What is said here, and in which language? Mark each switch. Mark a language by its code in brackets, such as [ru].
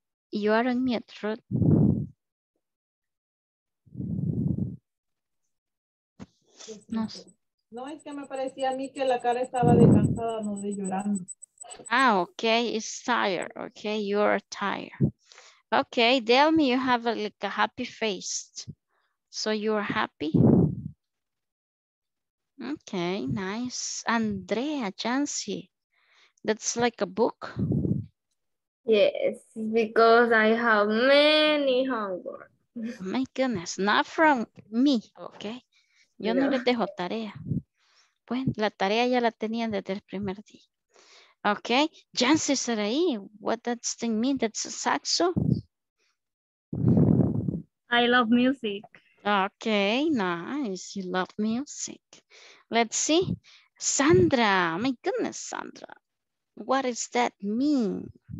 [en] You are on mute, Ruth. [es] No sé. No, es que me parecía a mí que la cara estaba de cansada, no de llorando. [en] Ah, okay, it's tired. Okay, you're tired. Okay, tell me you have a, like a happy face. So you're happy? Okay, nice. Andrea, Jancy, that's like a book? Yes, because I have many homework. Oh my goodness, not from me, okay? [es] Yo no les dejo tarea. Bueno, la tarea ya la tenían desde el primer día. [en] Okay, Jancy Sarai, what does that thing mean? That's a saxo? I love music. Okay, nice. You love music. Let's see. Sandra, my goodness, Sandra. What does that mean?